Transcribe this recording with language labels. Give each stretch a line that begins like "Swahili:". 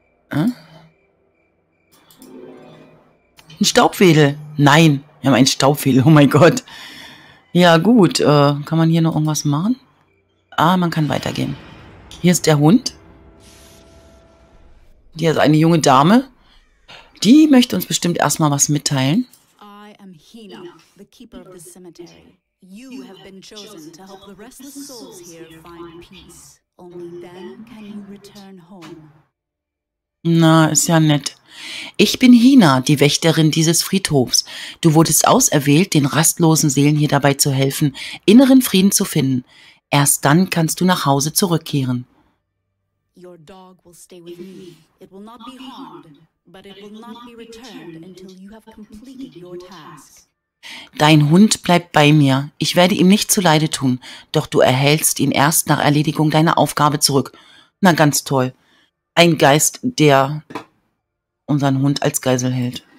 German: Ein Staubwedel. Nein, wir haben einen Staubwedel. Oh mein Gott. Ja gut, kann man hier noch irgendwas machen? Ah, man kann weitergehen. Hier ist der Hund. Hier ist eine junge Dame. Die möchte uns bestimmt erstmal was mitteilen.
English: I am Hina, the keeper of the cemetery. You have been chosen to help the restless souls here find peace. Only then can you return home.
German: Na, ist ja nett. Ich bin Hina, die Wächterin dieses Friedhofs. Du wurdest auserwählt, den rastlosen Seelen hier dabei zu helfen, inneren Frieden zu finden. Erst dann kannst du nach Hause zurückkehren.
English: Your dog will stay with me. It will not be harmed, but it will not be returned until you have completed your task.
German: Dein Hund bleibt bei mir. Ich werde ihm nicht zuleide tun, doch du erhältst ihn erst nach Erledigung deiner Aufgabe zurück. Na, ganz toll. Ein Geist, der unseren Hund als Geisel hält.